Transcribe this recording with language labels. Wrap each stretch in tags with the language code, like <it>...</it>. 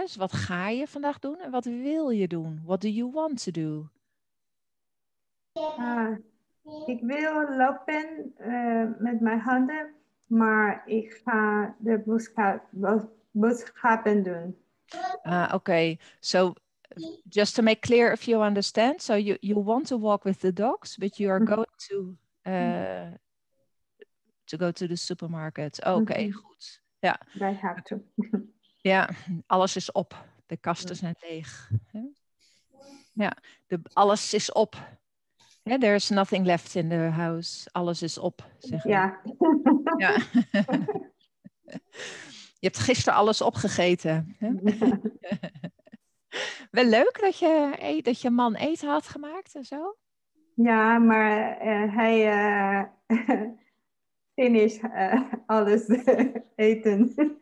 <nl>Dus wat ga je vandaag doen en wat wil je doen?</nl> <en>What do you want to do?</en> <nl>Ik wil lopen met mijn handen, maar ik ga de boodschappen doen.</nl> <en>So just to make clear if you understand, so you want to walk with the dogs, but you are going to go to the supermarket.</en> <nl>Goed. Ja.</nl> <en>They have to.</en> <nl>Ja, alles is op. De kasten zijn leeg. Ja, alles is op.</nl> <en>Yeah, there is nothing left in the house.</en> <nl>Alles is op, zeg ja. Ja. Je hebt gisteren alles opgegeten. Ja. Wel leuk dat je man eten had gemaakt en zo. Ja, maar hij finish alles eten.</nl>